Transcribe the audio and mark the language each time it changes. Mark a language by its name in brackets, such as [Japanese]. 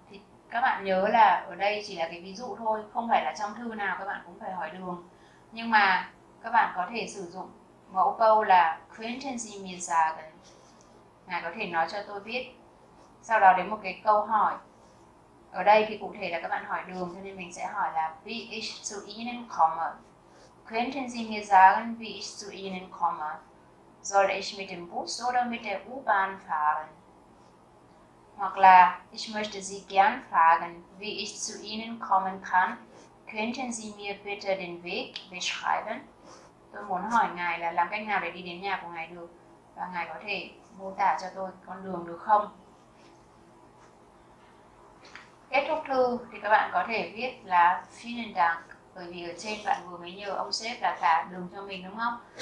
[Vietnamese] Thì các bạn nhớ là ở đây chỉ là cái ví dụ thôi, không phải là trong thư nào các bạn cũng phải hỏi đường. Nhưng mà các bạn có thể sử dụng mẫu câu là [German] Könnten Sie mir sagen? [Vietnamese] Ngài có thể nói cho tôi biết. Sau đó đến một cái câu hỏi. Ở đây thì cụ thể là các bạn hỏi đường, cho nên mình sẽ hỏi là [German] Wie ich zu Ihnen komme? Könnten Sie mir sagen, wie ich zu Ihnen komme? Soll ich mit dem Bus oder mit der U-Bahn fahren? [Vietnamese] Hoặc là [German] ich möchte Sie gern fragen, wie ich zu Ihnen kommen kann. Könnten Sie mir bitte den Weg beschreiben? [Vietnamese] Tôi muốn hỏi ngài là làm cách nào để đi đến nhà của ngài được, và ngài có thể mô tả cho tôi con đường được không? Kết thúc thư thì các bạn có thể viết là [German] Vielen Dank, [Vietnamese] bởi vì ở trên bạn vừa mới nhờ ông sếp là cả đường cho mình đúng không?